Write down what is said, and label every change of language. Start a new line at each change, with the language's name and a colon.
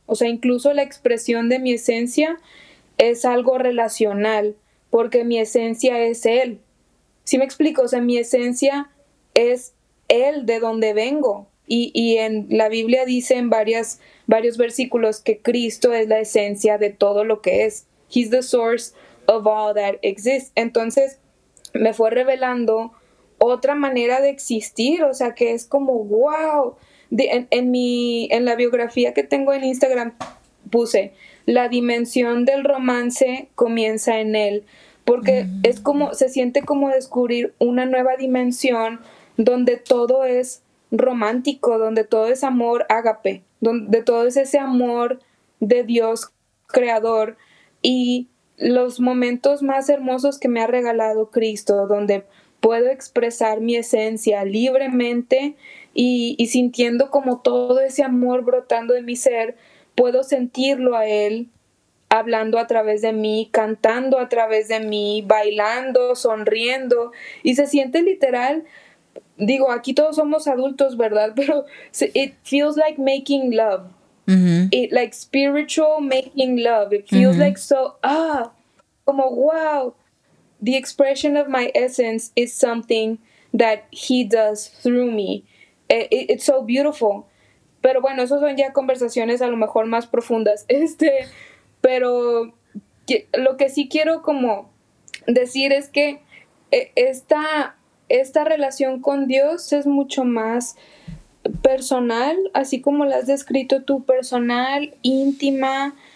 Spanish: O sea, incluso la expresión de mi esencia es algo relacional, porque mi esencia es Él. ¿Sí me explico? O sea, mi esencia es Él, de donde vengo. Y en la Biblia dice en varios versículos que Cristo es la esencia de todo lo que es.
English: He's the source of all that exists.
Spanish: Entonces, me fue revelando otra manera de existir. O sea, que es como, wow. En la biografía que tengo en Instagram puse, la dimensión del romance comienza en Él. Porque es como, se siente como descubrir una nueva dimensión donde todo es romántico, donde todo es amor ágape, donde todo es ese amor de Dios creador. Y los momentos más hermosos que me ha regalado Cristo, donde puedo expresar mi esencia libremente y sintiendo como todo ese amor brotando de mi ser, puedo sentirlo a Él hablando a través de mí, cantando a través de mí, bailando, sonriendo. Y se siente literal, digo, aquí todos somos adultos, ¿verdad?
English: Pero it feels like making love. Like spiritual making love. It feels like so, como wow. The expression of my essence is something that He does through me. It's so beautiful.
Spanish: Pero bueno, esas son ya conversaciones a lo mejor más profundas. Pero lo que sí quiero como decir es que esta relación con Dios es mucho más personal, así como la has descrito tú, personal, íntima,